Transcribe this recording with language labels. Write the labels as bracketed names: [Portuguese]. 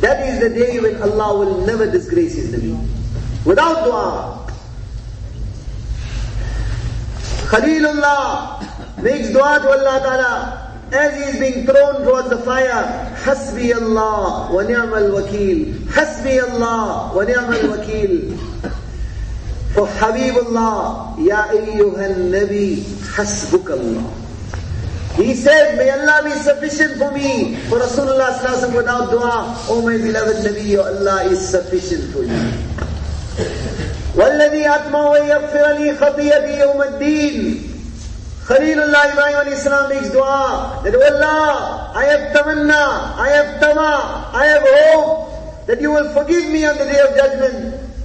[English] That is the day when Allah will never disgrace His Nabi. Without dua. Khalilullah makes dua to Allah Ta'ala. As he is being thrown towards the fire, حَسْبِ اللَّهُ وَنِعْمَ الْوَكِيلُ. [Arabic] حَسْبِ اللَّهُ وَنِعْمَ الْوَكِيلُ. [English] For Habibullah, يَا أَيُّهَا النَّبِي حَسْبُكَ اللَّهُ. He said, may Allah be sufficient for me. For Rasulullah sallallahu alayhi wa sallam without dua, oh my beloved Nabi, your Allah is sufficient for you. [Arabic] وَالَّذِي أَطْمَعُ وَيَغْفِرَ لِي خَطِيَةِ يَوْمَ الدِّينِ. [English] Khalilullah Ibrahim alayhi salam makes dua, that oh Allah, I have tamanna, I have tama, I have hope that you will forgive me on the day of judgment.